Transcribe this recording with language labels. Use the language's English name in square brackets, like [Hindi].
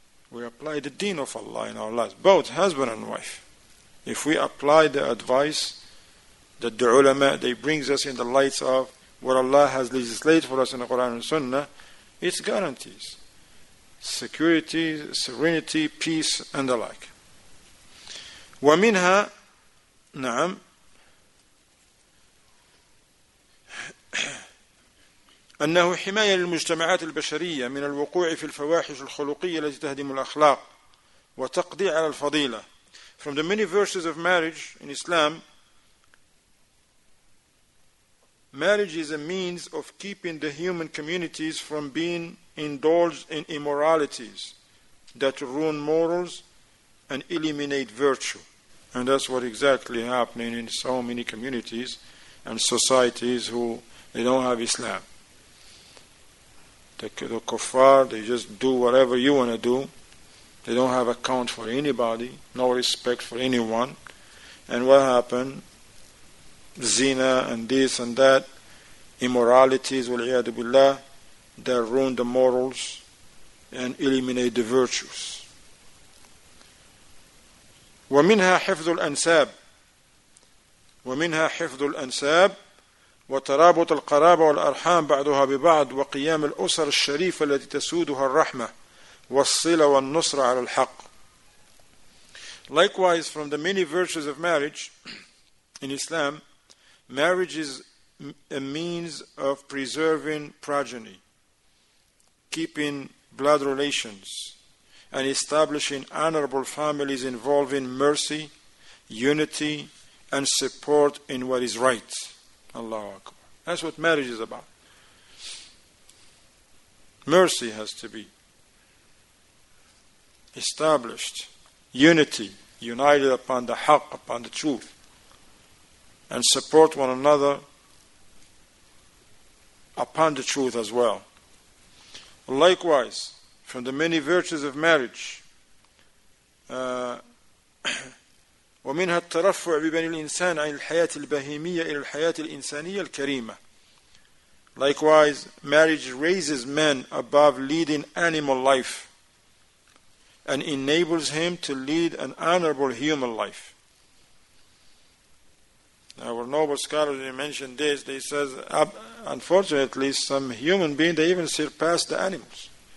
[English] We apply the deen of Allah in our lives, both husband and wife. If we apply the advice that the ulama, they bring us in the lights of what Allah has legislated for us in the Quran and Sunnah, it guarantees security, serenity, peace, and the like. [Arabic] وَمِنْهَا نَعَمْ أنه حماية للمجتمعات البشرية من الوقوع في الفواحش الخلقية التي تهدم الأخلاق وتقضي على الفضيلة. [English] From the many verses of marriage in Islam, marriage is a means of keeping the human communities from being indulged in immoralities that ruin morals and eliminate virtue. And that's what exactly happening in so many communities and societies who they don't have Islam. The kuffar, they just do whatever you want to do. They don't have account for anybody, no respect for anyone. And what happened? Zina and this and that, immoralities, wal-iyadu billah, that ruin the morals and eliminate the virtues. [Arabic] وَمِنْهَا حِفْظُ الْأَنْسَابِ وَمِنْهَا حِفْظُ الْأَنْسَابِ وترابط القرابة والأرحام بعضها ببعض وقيام الأسر الشريفة التي تسودها الرحمة والصلة والنصرة على الحق. [English] Likewise, from the many virtues of marriage in Islam, marriage is a means of preserving progeny, keeping blood relations, and establishing honorable families involving mercy, unity, and support in what is right. Allahu Akbar. That's what marriage is about. Mercy has to be established. Unity, united upon the haqq, upon the truth. And support one another upon the truth as well. [Arabic] Likewise, from the many virtues of marriage, ومنها الترفع ببني الإنسان عن الحياة البهيمية إلى الحياة الإنسانية الكريمة. [English] Likewise, marriage raises men above leading animal life and enables him to lead an honorable human life. Our noble scholars, they mentioned this, they says, unfortunately, some human beings, they even surpass the animals.